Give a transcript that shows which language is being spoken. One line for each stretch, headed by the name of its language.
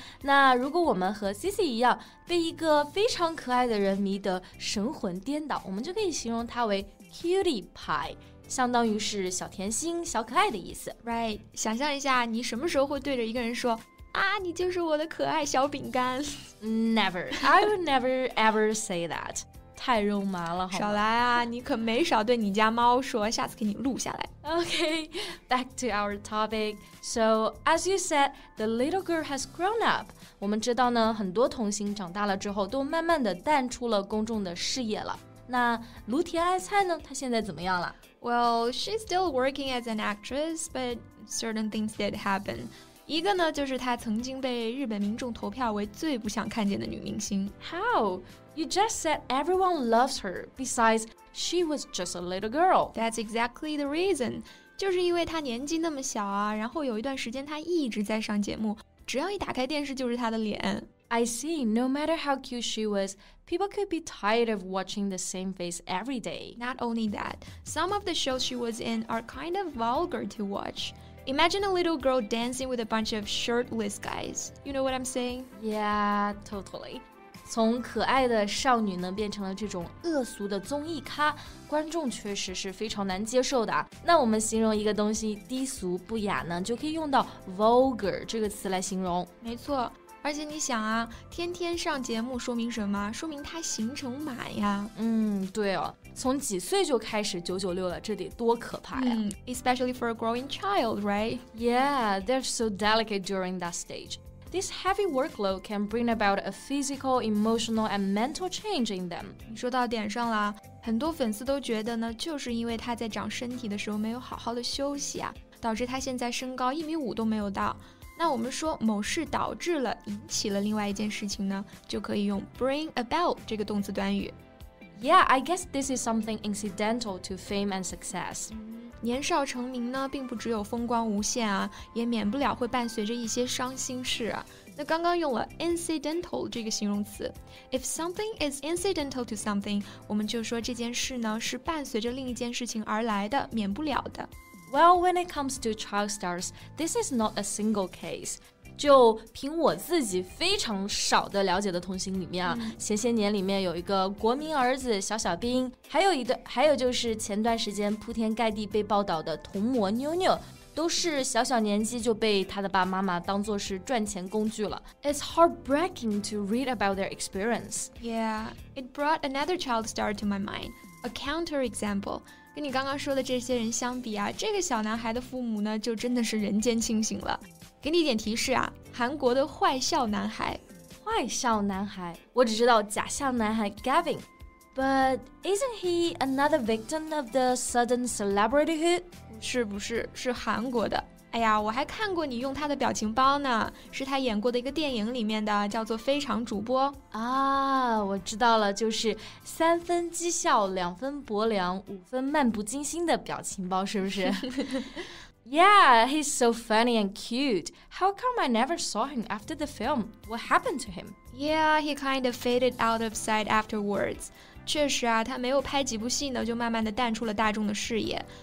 Chinese: 那如果我们和 Cici 一样，被一个非常可爱的人迷得神魂颠倒，我们就可以形容他为 cutie pie, 相当于是小甜心、小可爱的意思。 Right, 想象一下，你什么时候会对着一个人说你就是我的可爱小饼干。
English: Never. I would never ever say that.
Chinese: 太肉麻了，好吧。少来啊，你可没少对你家猫说，下次给你录下来。
English: Okay, back to our topic. So, as you said, the little girl has grown up.
Chinese: 我们知道呢，很多童星长大了之后都慢慢地淡出了公众的视野了。那芦田爱菜呢，她现在怎么样了？
English: Well, she's still working as an actress, but certain things did happen.
Chinese: 一个呢就是她曾经被日本民众投票为最不想看见的女明星。
English: How? You just said everyone loves her. Besides, she was just a little girl. That's exactly the reason.
Chinese: 就是因为她年纪那么小啊，然后有一段时间她一直在上节目，只要一打开电视就是她的脸。
English: I see. No matter how cute she was, people could be tired of watching the same face every day. Not only that, some of the shows she was in are kind of vulgar to watch. Imagine a little girl dancing with a bunch of shirtless guys. You know what I'm saying? Yeah, totally.
Chinese: 从可爱的少女呢变成了这种恶俗的综艺咖，观众确实是非常难接受的。那我们形容一个东西低俗不雅呢，就可以用到 vulgar 这个词来形容。没错，而且你想啊，天天上节目说明什么？说明她行程满呀。嗯，对哦，从几岁就开始996了，这得多可怕呀。
English: Especially for a growing child, right? Yeah, they're so delicate during that stage. This heavy workload can bring about a physical, emotional, and mental change in them.
Chinese: 你说到点上了，很多粉丝都觉得呢，就是因为他在长身体的时候没有好好的休息啊，导致他现在身高1.5米都没有到。那我们说某事导致了，引起了另外一件事情呢，就可以用 bring about 这个动词短语。
English: Yeah, I guess this is something incidental to fame and success.
Chinese: 年少成名呢并不只有风光无限啊，也免不了会伴随着一些伤心事啊。那刚刚用了 incidental 这个形容词，
English: If something is incidental to something,
Chinese: 我们就说这件事呢是伴随着另一件事情而来的，免不了的。
English: Well, when it comes to child stars, this is not a single case.
Chinese: 就凭我自己非常少的了解的童星里面啊，前些年里面有一个国民儿子小小兵，还有就是前段时间铺天盖地被报道的童模妞妞，都是小小年纪就被他的爸爸妈妈当作是赚钱工具了。
English: It's heartbreaking to read about their experience. Yeah, it brought another child star to my mind, a counter example.
Chinese: 跟你刚刚说的这些人相比啊，这个小男孩的父母呢就真的是人间清醒了。给你一点提示啊，韩国的坏笑男孩。坏笑男孩，我只知道假笑男孩 Gavin。
English: But isn't he another victim of the sudden celebrityhood?
Chinese: 是不是，是韩国的。哎呀，我还看过你用他的表情包呢，是他演过的一个电影里面的，叫做《非常主播》 啊。我知道了，就是三分讥笑，两分薄凉，五分漫不经心的表情包，是不是？
English: Yeah, he's so funny and cute. How come I never saw him after the film? What happened to him? Yeah, he kind of faded out of sight afterwards.
Chinese: 确实啊，他没有拍几部戏呢，就慢慢的淡出了大众的视野。